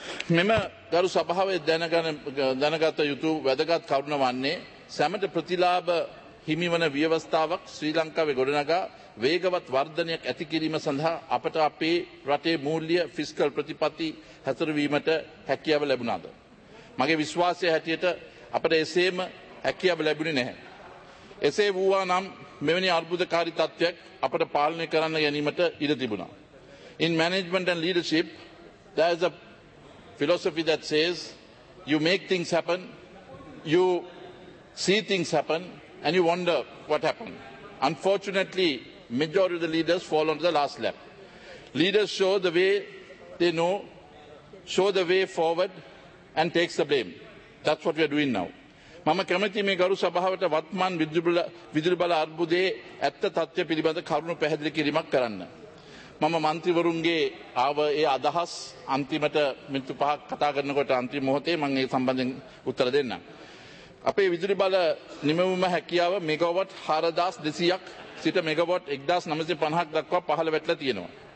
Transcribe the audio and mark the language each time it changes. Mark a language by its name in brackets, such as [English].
[Sinhala] මෙම ගරු සභාවේ දැනගත යුතු වැදගත් කරුණ වන්නේ සැමට ප්‍රතිලාභ හිමිවන ව්‍යවස්ථාවක් ශ්‍රී ලංකාවේ ගොඩනගා වේගවත් වර්ධනයක් ඇති කිරීම සඳහා අපට අපේ රටේ මූල්‍ය ෆිස්කල් ප්‍රතිපත්ති හැසිරවීමට හැකියාව ලැබුණාද? මගේ විශ්වාසය හැටියට අපට එසේම හැකියාව ලැබුණේ නැහැ. එසේ වූවා නම් මෙවැනි අර්බුදකාරී තත්ත්වයක් අපට පාලනය කරන්න ගැනීමට ඉඩ තිබුණා. [English] In management and leadership, there is a philosophy that says you make things happen, you see things happen and you wonder what happened. Unfortunately, majority of the leaders fall onto the last lap. Leaders show the way they know, show the way forward and takes the blame. That's what we are doing now. [Sinhala] මම කැමැති මේ ගරු සභාවට වත්මන් විදුලි බල අර්බුදයේ ඇත්ත තත්ත්ව පිළිබඳ කරුණු පැහැදිලි කිරීමක් කරන්න. මම මන්ත්‍රීවරුන්ගේ ආව ඒ අදහස් අන්තිමට මිනිත්තු පහක් කතා කරනකොට අන්තිම මොහොතේ මම ඒ සම්බන්ධයෙන් උත්තර දෙන්නම්. අපේ විදුලි බල නිමවීම හැකියාව මෙගාවට් 4200ක් සිට මෙගාවට් 1950ක් දක්වා පහළ වැටලා තියෙනවා.